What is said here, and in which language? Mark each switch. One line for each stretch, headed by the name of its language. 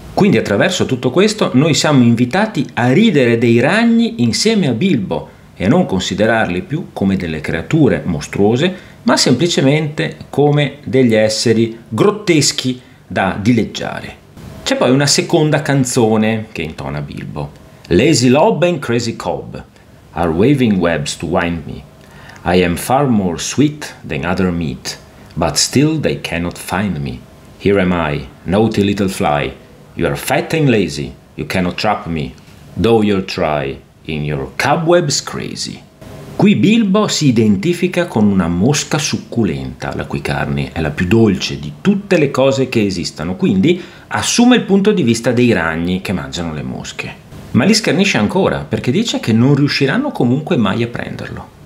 Italian: Quindi attraverso tutto questo noi siamo invitati a ridere dei ragni insieme a Bilbo e a non considerarli più come delle creature mostruose, ma semplicemente come degli esseri grotteschi da dileggiare. C'è poi una seconda canzone che intona Bilbo.
English: Lazy Lob and Crazy Cob are waving webs to wind me. I am far more sweet than other meat, but still they cannot find me. Here am I, naughty little fly. You are fat and lazy, you cannot trap me, though you try in your cobwebs crazy.
Italian: Qui Bilbo si identifica con una mosca succulenta, la cui carne è la più dolce di tutte le cose che esistano, quindi assume il punto di vista dei ragni che mangiano le mosche. Ma li schernisce ancora, perché dice che non riusciranno comunque mai a prenderlo.